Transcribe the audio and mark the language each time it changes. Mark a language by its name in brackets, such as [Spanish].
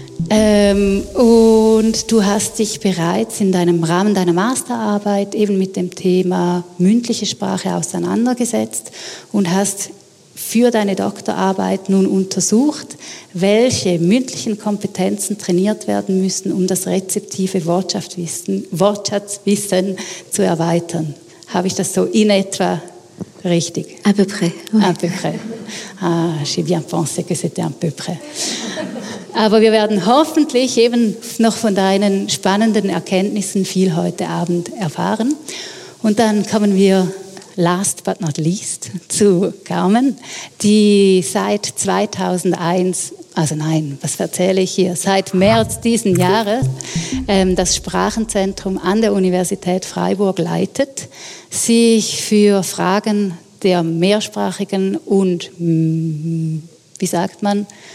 [German] Und du hast dich bereits in deinem Rahmen deiner Masterarbeit eben mit dem Thema mündliche Sprache auseinandergesetzt und hast für deine Doktorarbeit nun untersucht, welche mündlichen Kompetenzen trainiert werden müssen, um das rezeptive Wortschatzwissen zu erweitern. Habe ich das so in etwa richtig? [French] À peu près. Oui. À peu près. Ah, j'ai bien pensé que c'était à peu près. [German] Aber wir werden hoffentlich eben noch von deinen spannenden Erkenntnissen viel heute Abend erfahren. Und dann kommen wir [English] last but not least [German] zu Carmen, die seit 2001, also nein, was erzähle ich hier, seit März diesen Jahres das Sprachenzentrum an der Universität Freiburg leitet, sich für Fragen der mehrsprachigen und, wie sagt man,